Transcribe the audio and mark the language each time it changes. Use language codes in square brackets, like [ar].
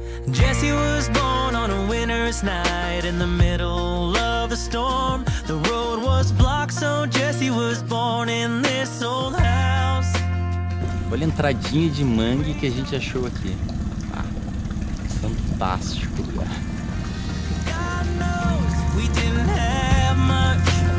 [en] Jesse was born on a winter's night in the middle of a storm. The road was blocked, so Jesse was born in this old house. [pt] Olha a entradinha de mangue que a gente achou aqui. Ah, fantástico, cara. [en] God knows we didn't have much.